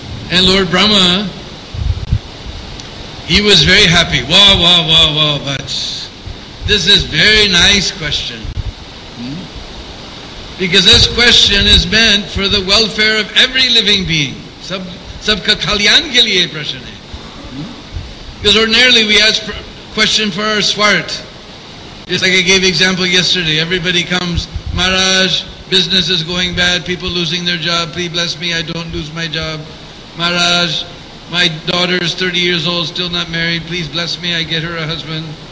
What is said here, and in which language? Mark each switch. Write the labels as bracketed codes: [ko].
[en] And Lord Brahma, he was very happy. Wow, wow, wow, wow, but this is a very nice question. Because this question is meant for the welfare of every living being. [hi] सबका कल्याण के लिए प्रशन है। [en] Because ordinarily we ask question for our swart. Just like I gave example yesterday, everybody comes, Maharaj, business is going bad, people losing their job, please bless me, I don't lose my job. Maharaj, my daughter is 30 years old, still not married, please bless me, I get her a husband.